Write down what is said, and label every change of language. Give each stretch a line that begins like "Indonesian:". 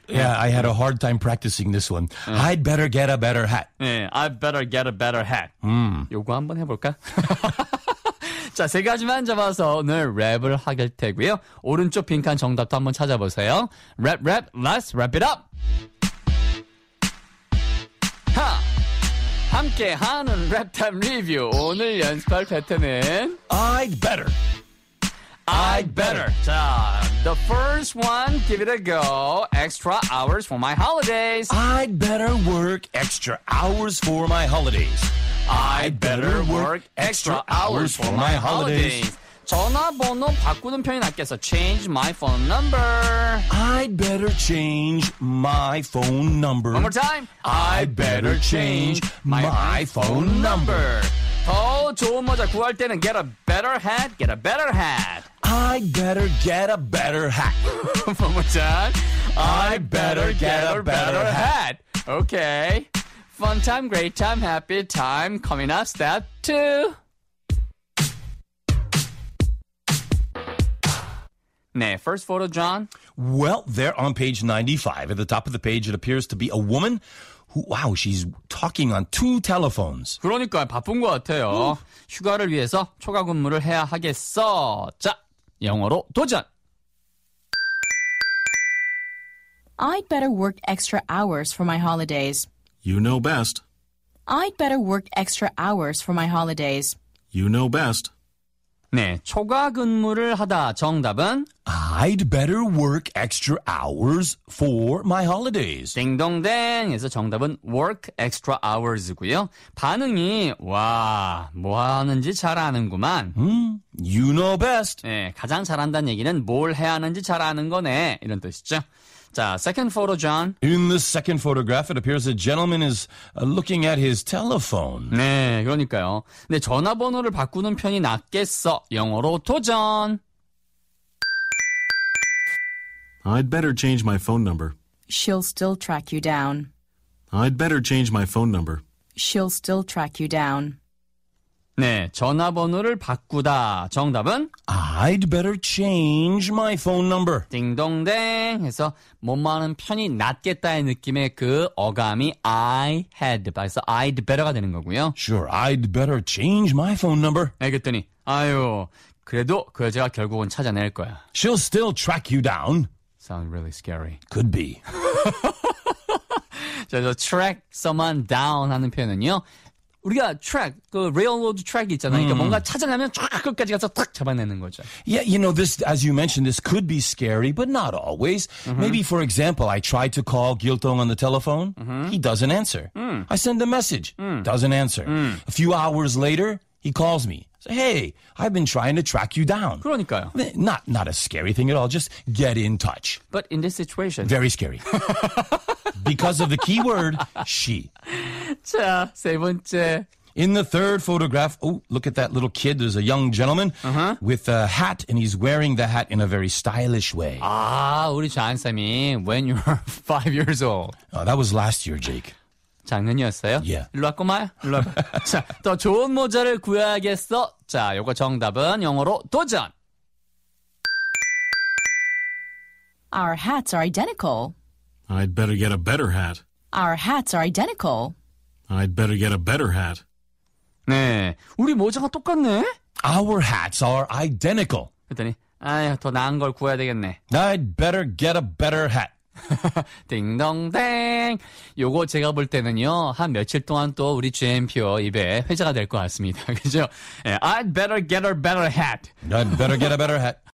English: Yeah, I had a hard time practicing this one. I'd better get a better hat. 네, I'd better get a better hat.
Korean: 요거 한번 해볼까? 자, 세 가지만 잡아서 오늘 랩을 하길 테고요. 오른쪽 빈칸 정답도 한번 찾아보세요.
English: Rap, rap, let's wrap it up.
Korean: 함께 하는 랩타임 리뷰. 오늘 연습할 패턴은
English: I'd better. I'd better. 자, the first one, give it a go. Extra hours for my holidays. I'd better work extra hours for my holidays. I'd better work extra hours for my holidays.
Korean: 전화번호 바꾸는 표현이 낫겠어.
English: Change my phone number. I'd better change my phone number. One more time. I'd better change my phone number.
Korean: 더 좋은 모자 구할 때는
English: get a better hat, get a better hat. I'd better get a better hat. One more time. I'd better get a better hat. Okay. Fun time, great time, happy time. Coming up, step two. 네, first photo, John. Well, there on page 95, at the top of the page, it appears to be a woman who, wow, she's talking on two telephones.
Korean: 그러니까 바쁜 것 같아요. 휴가를 위해서 초과 근무를 해야 하겠어. 자, 영어로 도전!
English: I'd better work extra hours for my holidays. You know best. I'd better work extra hours for my holidays. You know best.
Korean: 네, 초과 근무를 하다 정답은
English: I'd better work extra hours for my holidays.
Korean: 딩동댕 해서 정답은
English: work extra hours
Korean: 고요. 반응이 와, 뭐 하는지 잘 아는구만.
English: You know best.
Korean: 네, 가장 잘한다는 얘기는 뭘 해야 하는지 잘 아는 거네. 이런 뜻이죠. 자,
English: second photo,
Korean: John.
English: In the second photograph, it appears a gentleman is looking at his telephone.
Korean: 네, 그러니까요. 네, 전화번호를 바꾸는 편이 낫겠어. 영어로 도전.
English: I'd better change my phone number. She'll still track you down. I'd better change my phone number. She'll still track you down.
Korean: 네, 전화번호를 바꾸다. 정답은
English: I'd better change my phone number.
Korean: 딩동댕 해서 못마는 편이 낫겠다의 느낌의 그 어감이
English: I had.
Korean: 그래서 I'd better가 되는 거고요.
English: Sure, I'd better change my phone number.
Korean: 네, 그랬더니 아유, 그래도 그 여자가 결국은 찾아낼 거야.
English: She'll still track you down. Sound really scary. Could be.
Korean: 자, 저
English: track someone down
Korean: 하는 표현은요. 우리가 track, 그
English: railroad track
Korean: 있잖아요. 그러니까 뭔가 찾아내면 쫙 끝까지 가서 탁 잡아내는 거죠.
English: Yeah, you know, this, as you mentioned, this could be scary, but not always. Mm-hmm. Maybe, for example, I tried to call Giltong on the telephone. Mm-hmm. He doesn't answer. Mm. I send a message. Mm. Doesn't answer. Mm. A few hours later, he calls me. Say, hey, I've been trying to track you down.
Korean: 그러니까요.
English: Not a scary thing at all. Just get in touch. But in this situation. Very scary. Because of the keyword, she.
Korean: 자, 세 번째.
English: In the third photograph, oh, look at that little kid. There's a young gentleman with a hat, and he's wearing the hat in a very stylish way. Ah,
Korean: 우리 장쌤이,
English: when you're 5 years old. That was last year, Jake.
Korean: 작년이었어요? 예. 일로 왔고 말? 일로 와. 자, 더 좋은 모자를 구해야겠어. 자, 요거 정답은 영어로 도전.
English: Our hats are identical. I'd better get a better hat. Our hats are identical. I'd better get a better hat.
Korean: 네, 우리 모자가 똑같네.
English: Our hats are identical.
Korean: 그랬더니, 아휴, 더 나은 걸 구해야 되겠네.
English: I'd better get a better hat.
Korean: 딩동댕. 요거 제가 볼 때는요, 한 며칠 동안 또 우리 GMPO 입에 회자가 될 것 같습니다. 그죠?
English: I'd better get a better hat. I'd better get a better hat.